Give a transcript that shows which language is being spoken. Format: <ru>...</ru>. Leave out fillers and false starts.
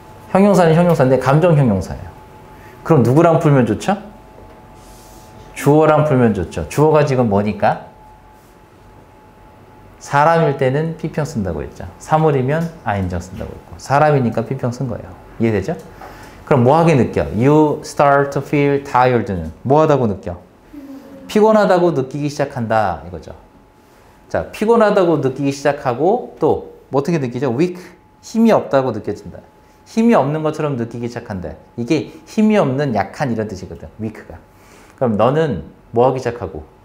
<ko>형용사는 형용사인데 감정 형용사예요. 그럼 누구랑 풀면 좋죠? 주어랑 풀면 좋죠. 주어가 지금 뭐니까? 사람일 때는 피평 쓴다고 했죠. 사물이면 아인정 쓴다고 했고 사람이니까 피평 쓴 거예요. 이해되죠? 그럼 뭐하게 느껴?</ko> <en>You start to feel tired는</en> <ko>뭐하다고 느껴? 피곤하다고 느끼기 시작한다 이거죠. 자, 피곤하다고 느끼기 시작하고 또 뭐 어떻게 느끼죠? weak, 힘이 없다고 느껴진다. 힘이 없는 것처럼 느끼기 시작한다. 이게 힘이 없는 약한 이런 뜻이거든, weak가. 그럼 너는 뭐하기 시작하고?</ko>